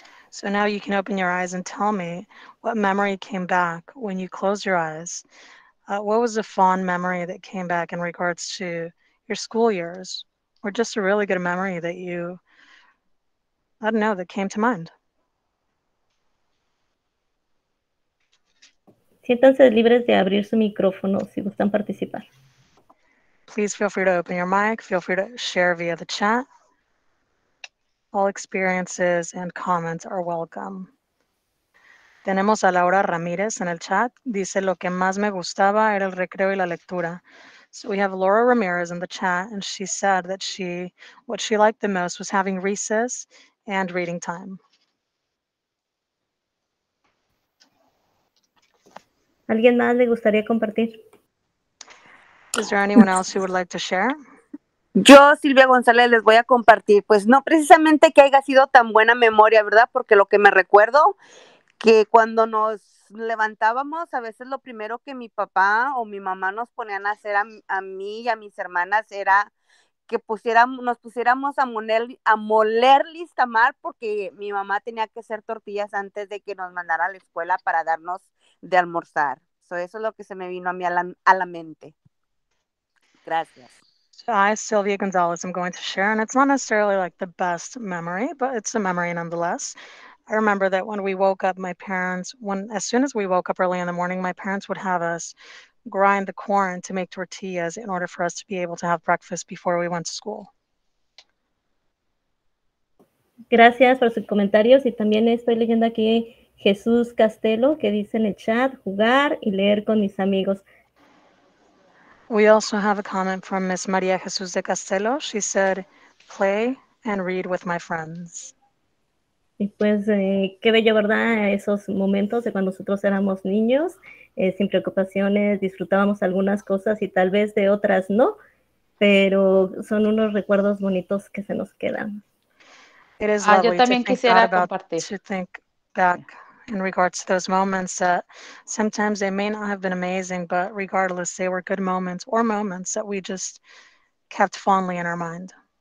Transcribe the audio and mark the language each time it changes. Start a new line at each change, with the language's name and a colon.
English: So now you can open your eyes and tell me what memory came back when you closed your eyes. What was a fond memory that came back in regards to your school years, or just a really good memory that you, I don't know, that came to mind?
Spanish: Siéntanse libres de abrir su micrófono si gustan participar.
English: Please feel free to open your mic, feel free to share via the chat. All experiences and comments are welcome.
Spanish: Tenemos a Laura Ramírez en el chat. Dice lo que más me gustaba era el recreo y la lectura.
English: So we have Laura Ramirez in the chat, and she said that she what she liked the most was having recess and reading time.
Spanish: ¿Alguien más le gustaría compartir?
English: Is there anyone else who would like to share?
Spanish: Yo, Silvia González, les voy a compartir. Pues no precisamente que haya sido tan buena memoria, ¿verdad? Porque lo que me recuerdo, que cuando nos levantábamos, a veces lo primero que mi papá o mi mamá nos ponían a hacer a mí y a mis hermanas era que nos pusiéramos a moler listamar, porque mi mamá tenía que hacer tortillas antes de que nos mandara a la escuela para darnos de almorzar. Eso es lo que se me vino a mí a la mente. Gracias.
English: I, Sylvia Gonzalez, I'm going to share, and it's not necessarily like the best memory, but it's a memory nonetheless. I remember that when we woke up, my parents, when as soon as we woke up early in the morning, my parents would have us grind the corn to make tortillas in order for us to be able to have breakfast before we went to school.
Spanish: Gracias por sus comentarios y también estoy leyendo aquí Jesús Castelo, que dice en el chat, jugar y leer con mis amigos.
English: We also have a comment from Miss María Jesús de Castelo. She said, play and read with my friends.
Spanish: Y pues qué bello, ¿verdad? Esos momentos de cuando nosotros éramos niños, sin preocupaciones, disfrutábamos algunas cosas y tal vez de otras no, pero son unos recuerdos bonitos que se nos quedan.
English: It is
Spanish: Ah, yo
English: lovely
Spanish: también quisiera compartir.
English: to think back. In regards to those moments that sometimes they may not have been amazing, but regardless, they were good moments or moments that we just kept fondly in our mind.